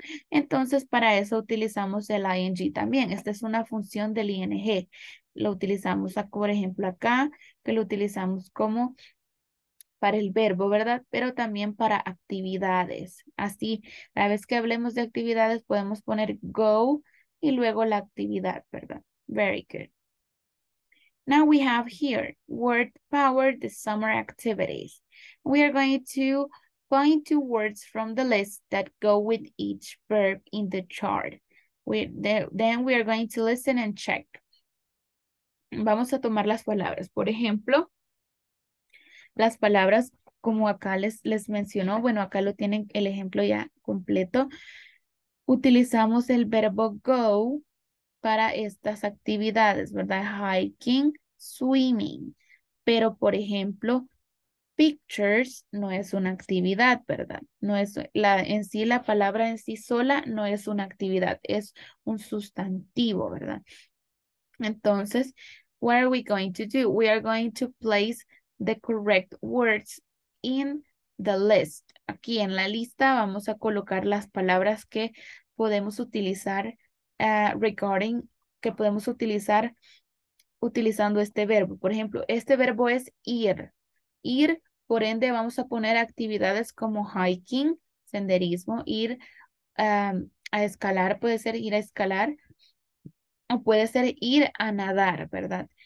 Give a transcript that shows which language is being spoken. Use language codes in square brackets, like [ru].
[es] Entonces, para eso utilizamos el ing también. Esta es una función del ing. Lo utilizamos, por ejemplo, acá, que lo utilizamos como para el verbo, ¿verdad? Pero también para actividades. Así, la vez que hablemos de actividades, podemos poner go y luego la actividad, ¿verdad? [en] Very good. Now we have here, word power, the summer activities. We are going to find two words from the list that go with each verb in the chart. Then we are going to listen and check. [es] Vamos a tomar las palabras. Por ejemplo, las palabras como acá les mencionó, bueno, acá lo tienen el ejemplo ya completo. Utilizamos el verbo go para estas actividades, ¿verdad? Hiking, swimming. Pero, por ejemplo, pictures no es una actividad, ¿verdad? No es la palabra en sí sola no es una actividad, es un sustantivo, ¿verdad? [en] Entonces, what are we going to do? We are going to place the correct words in the list. [es] Aquí en la lista vamos a colocar las palabras que podemos utilizar regarding, que podemos utilizar utilizando este verbo. Por ejemplo, este verbo es ir. Ir, por ende, vamos a poner actividades como hiking, senderismo, ir a escalar, puede ser ir a escalar, o puede ser ir a nadar, ¿verdad?